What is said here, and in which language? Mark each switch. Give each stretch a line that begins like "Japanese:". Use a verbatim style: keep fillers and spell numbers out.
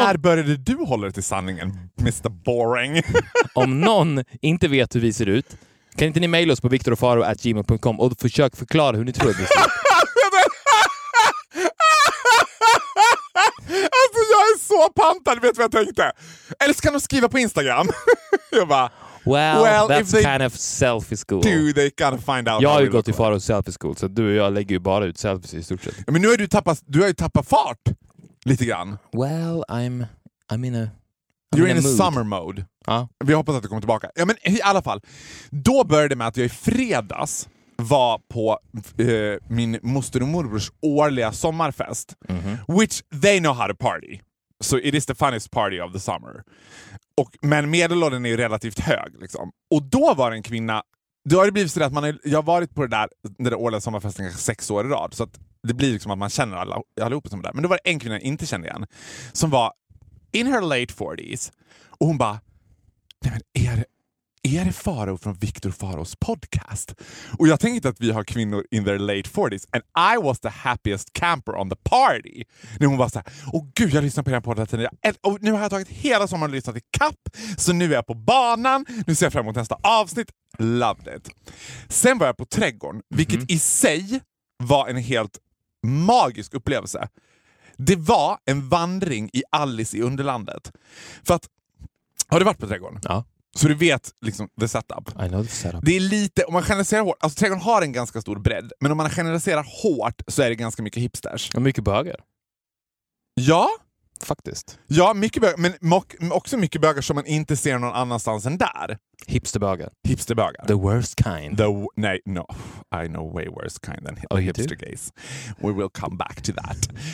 Swedish: när började du hålla det till sanningen, mister Boring? Om någon inte vet hur vi ser ut, kan inte ni mejla oss på victor och faro at gmail dot com och försök förklara hur ni tror att vi ser ut. Alltså jag är så pantad, vet vad jag tänkte? Eller ska de skriva på Instagram? Jag bara...
English: Well, well, that's kind of selfie school. Do they kind of find out?
Swedish: Jag har ju gått i Faros selfie school, så du och jag lägger ju bara ut selfies i stort sett. Men nu har du tappat, du har ju tappat fart lite grann.
English: Well, I'm, I'm in a, I'm you're in, in a mood. Summer mode.
Swedish: Ja. Vi hoppas att du kommer tillbaka. Ja, men i alla fall. Då började det med att jag i fredags var på eh, min moster och morbrors årliga sommarfest, mm-hmm.
English: which they know how to party. så it is the funniest party of the summer.
Swedish: Och, men medelåldern är ju relativt hög. Liksom. Och då var det en kvinna... Då har det blivit så att man är, jag har varit på det där, det där årliga sommarfesten kanske sex år i rad. Så att det blir liksom att man känner alla, allihopa som är där. Men då var det en kvinna jag inte kände igen. Som var
English: in her late forties.
Swedish: Och hon bara... Nej men är det... Är det Faro från Viktor Faros podcast? Och jag tänkte att vi har kvinnor
English: in their late forties. And I was the happiest camper on the party.
Swedish: När hon var så här, åh gud, jag lyssnar på den podden tiden. Och nu har jag tagit hela sommaren och lyssnat i kapp. Så nu är jag på banan. Nu ser jag fram emot nästa avsnitt.
English: Loved it.
Swedish: Sen var jag på trädgården. Vilket mm. i sig var en helt magisk upplevelse. Det var en vandring i Alice i Underlandet. För att, har du varit på trädgården? Ja. Så du vet liksom
English: the setup. I know the setup.
Swedish: Det är lite, om man generaliserar hårt, alltså trädgården har en ganska stor bredd, men om man generaliserar hårt så är det ganska mycket hipsters. Och mycket bögar. Ja. Faktiskt. Ja, mycket bögar, men också mycket bögar som man inte ser någon annanstans än där. Hipsterbögar. Hipsterbögar.
English: The worst kind. The w-
Swedish: nej,
English: no. I know way worse kind than oh, hipster gays. We will come back to that.